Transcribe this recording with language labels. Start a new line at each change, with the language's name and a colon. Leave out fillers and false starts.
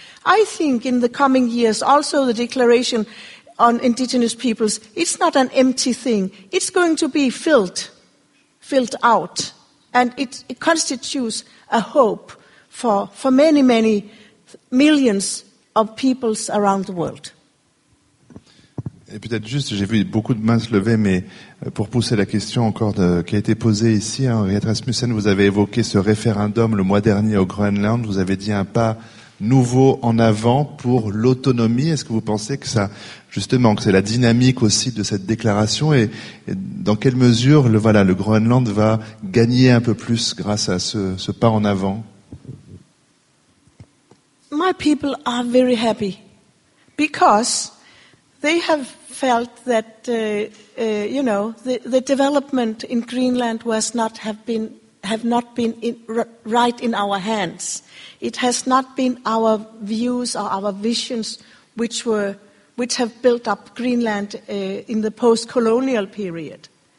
English: I think in the coming years, also the Declaration on Indigenous Peoples, it's not an empty thing. It's going to be filled out, and it constitutes a hope for many, many millions of peoples around the world.
French: Et peut-être juste, j'ai vu beaucoup de mains se lever, mais pour pousser la question encore qui a été posée ici, Henriette Rasmussen, vous avez évoqué ce référendum le mois dernier au Groenland, vous avez dit un pas nouveau en avant pour l'autonomie. Est-ce que vous pensez que ça, justement, que c'est la dynamique aussi de cette déclaration, et dans quelle mesure le Groenland va gagner un peu plus grâce à ce pas en avant?
English: My people are very happy because they have felt that the development in Greenland have not been right in our hands. It has not been our views or our visions which have built up Greenland in the post-colonial period.